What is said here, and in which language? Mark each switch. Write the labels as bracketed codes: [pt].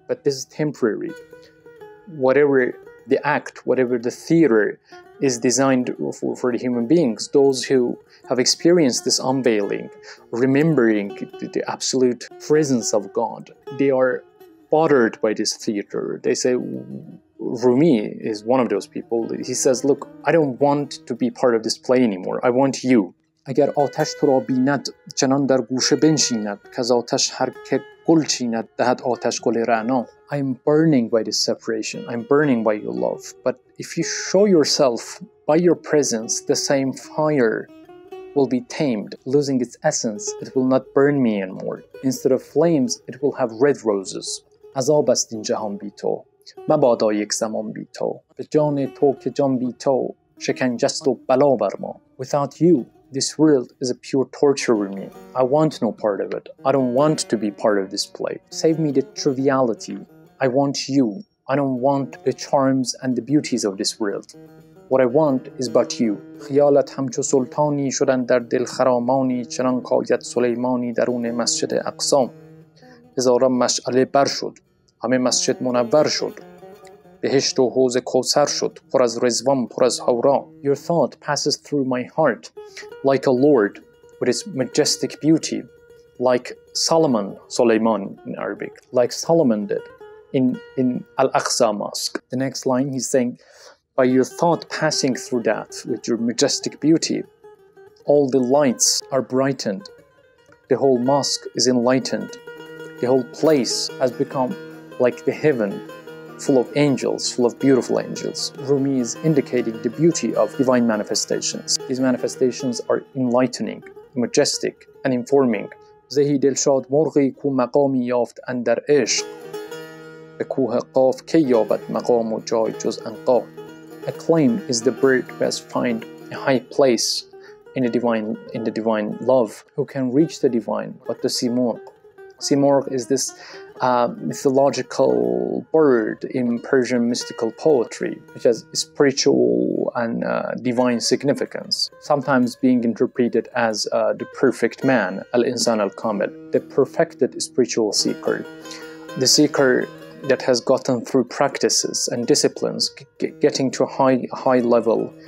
[en] But this is temporary. Whatever the act, whatever the theater is designed for the human beings, those who have experienced this unveiling, remembering the absolute presence of God, they are bothered by this theater. They say, Rumi is one of those people. He says, look, I don't want to be part of this play anymore. I want you. [fa] اگر آتش تو را بیند چنان در گوشه بنشیند که از آتش هر که گل چیند دهد آتش گل رعنا. [en] I'm burning by this separation. I'm burning by your love. But if you show yourself by your presence, the same fire will be tamed, losing its essence. It will not burn me anymore. Instead of flames, it will have red roses. [fa] عذاب است این جهان بی تو. مبادا یک زمان بی تو. به جان تو که جان بی تو. شکنجه است و بلا بر ما. [en] Without you, this world is a pure torture for me. I want no part of it. I don't want to be part of this play. Save me the triviality. I want you. I don't want the charms and the beauties of this world. What I want is but you. [fa] خیالت همچو سلطانی شدن در دل خرامانی چنان کاید سلیمانی درون مسجد اقسام. هزارم مشعله بر شد. همه مسجد منور شد. بهشت و حوز کوثر شد پر از رضوان پر از حورا. [en] Your thought passes through my heart like a lord with his majestic beauty, like Solomon, Suleiman in Arabic, like Solomon did in Al-Aqsa Mosque. The next line he's saying, by your thought passing through that with your majestic beauty, all the lights are brightened, the whole mosque is enlightened, the whole place has become like the heaven, full of angels, full of beautiful angels. Rumi is indicating the beauty of divine manifestations. These manifestations are enlightening, majestic, and informing. [fa] زهی دلشاد مرغی کو مقامی یافت اندر عشق به کوه قاف که یابد مقام و جای جز انقا. [en] Acclaimed is the bird who has found a high place in the divine love, who can reach the divine. But the simurgh. Simurgh is this mythological bird in Persian mystical poetry, which has spiritual and divine significance, sometimes being interpreted as the perfect man, al-insan al-kamil, the perfected spiritual seeker, the seeker that has gotten through practices and disciplines, getting to a high level.